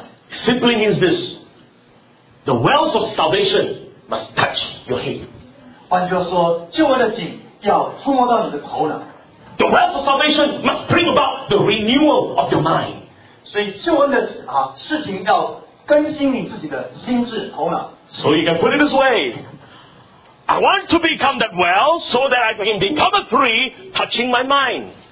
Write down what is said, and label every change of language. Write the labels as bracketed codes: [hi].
[en] Simply means this, the wells of salvation must touch your head. [zh] 换句话说，救恩的井要触摸到你的头脑。 [en] The wealth of salvation must bring about the renewal of your mind. [zh] 所以救恩的事情要更新你自己的心智头脑。 [en] So you can put it this way. I want to become that well so that I can become a tree touching my mind.